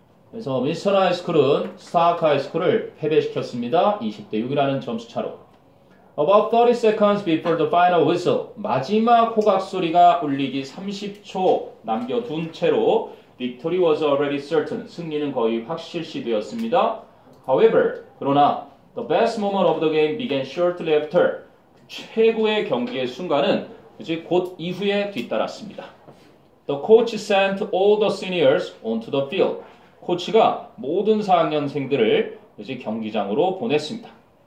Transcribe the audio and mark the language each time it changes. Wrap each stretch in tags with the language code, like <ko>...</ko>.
<ko>그래서 윈스턴 하이스쿨은 스타크 하이스쿨을 패배시켰습니다. 20대 6이라는 점수차로.</ko> <en>About 30 seconds before the final whistle.</en> <ko>마지막 호각 소리가 울리기 30초 남겨둔 채로</ko> <en>Victory was already certain.</en> <ko>승리는 거의 확실시 되었습니다.</ko> <en>However,</en> <ko>그러나</ko> <en>the best moment of the game began shortly after.</en> <ko>최고의 경기의 순간은 이제 곧 이후에 뒤따랐습니다.</ko> <en>The coach sent all the seniors onto the field.</en> <ko>코치가 모든 4학년생들을 이제 경기장으로 보냈습니다.</ko>